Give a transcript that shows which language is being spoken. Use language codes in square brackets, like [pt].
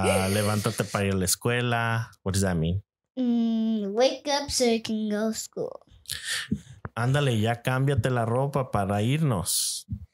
[es] levántate para ir a la escuela. [en] What does that mean? Wake up so you can go to school. [es] Ándale, ya cámbiate la ropa para irnos.